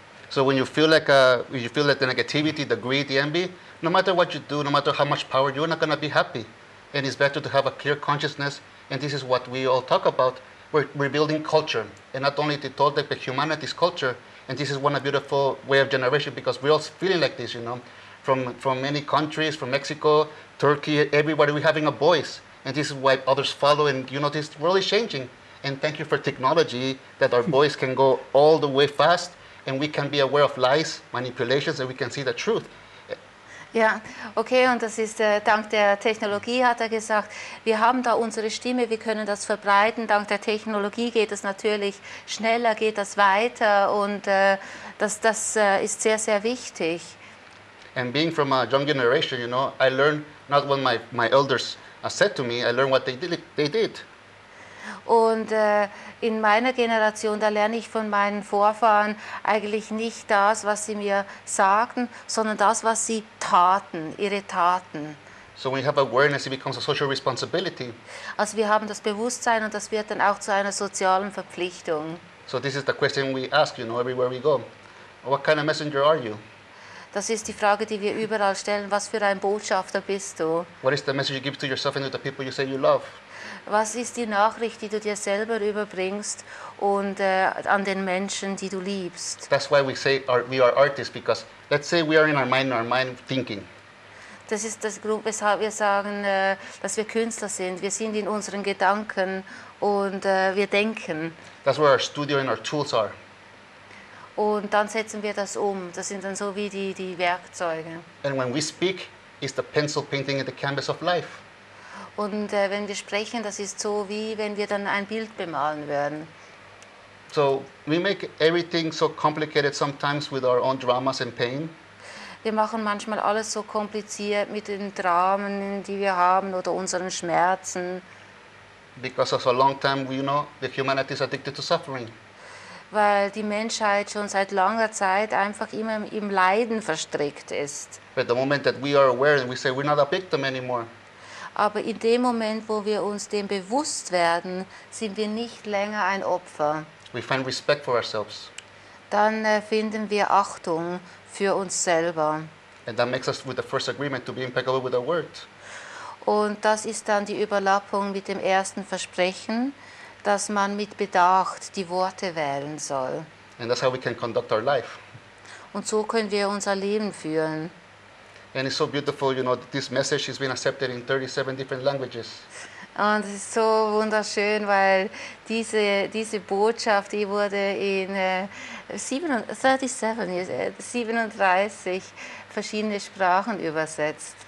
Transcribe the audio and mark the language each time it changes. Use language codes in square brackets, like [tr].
[en] So when you feel like the negativity, the greed, the envy, no matter what you do, no matter how much power, you're not going to be happy. And it's better to have a clear consciousness. And this is what we all talk about. We're rebuilding culture. And not only the Toltec, but humanity's culture. And this is one beautiful way of generation because we're all feeling like this, you know, from many countries, from Mexico, Turkey, everybody, we're having a voice. And this is why others follow. And you know, this world is changing. And thank you for technology that our voice can go all the way fast. And we can be aware of lies, manipulations, and we can see the truth. [de] Ja, okay, und das ist dank der Technologie, hat er gesagt. Wir haben da unsere Stimme, wir können das verbreiten. Dank der Technologie geht es natürlich schneller, geht das weiter. Und das ist sehr, sehr wichtig. [en] And being from a young generation, you know, I learned not what my elders said to me, I learned what they did. [de] Und in meiner Generation, da lerne ich von meinen Vorfahren eigentlich nicht das, was sie mir sagten, sondern das, was sie taten, ihre Taten. [en] So when you have awareness, it becomes a social responsibility. [de] Also wir haben das Bewusstsein und das wird dann auch zu einer sozialen Verpflichtung. [en] So this is the question we ask, you know, everywhere we go. What kind of messenger are you? [de] Das ist die Frage, die wir überall stellen. Was für ein Botschafter bist du? [en] What is the message you give to yourself and to the people you say you love? [de] Was ist die Nachricht, die du dir selber überbringst und an den Menschen, die du liebst? [en] That's why we say we are artists, because let's say we are in our mind thinking. [de] Das ist der Grund, weshalb wir sagen, dass wir Künstler sind. Wir sind in unseren Gedanken und wir denken. [en] That's where our studio and our tools are. [de] Und dann setzen wir das um. Das sind dann so wie die Werkzeuge. [en] And when we speak, is the pencil painting in the canvas of life. [de] Und wenn wir sprechen, das ist so wie wenn wir dann ein Bild bemalen würden. [en] So we make everything so complicated sometimes with our own dramas and pain. [de] Wir machen manchmal alles so kompliziert mit den Dramen, die wir haben oder unseren Schmerzen. [en] Because of a long time, we know the humanity is addicted to suffering. [de] Weil die Menschheit schon seit langer Zeit einfach immer im Leiden verstrickt ist. [en] But the moment that we are aware and we say we're not a victim anymore. [de] Aber in dem Moment, wo wir uns dem bewusst werden, sind wir nicht länger ein Opfer. [en] We find respect for ourselves. [de] Dann finden wir Achtung für uns selber. [en] And that makes us with the first agreement to be impeccable with our word. [de] Und das ist dann die Überlappung mit dem ersten Versprechen, dass man mit Bedacht die Worte wählen soll. [en] And that's how we can conduct our life. [de] Und so können wir unser Leben führen. [en] And it's so beautiful, you know, this message has been accepted in 37 different languages. [de] Und es ist so wunderschön, weil diese Botschaft, die wurde in 37 verschiedene Sprachen übersetzt.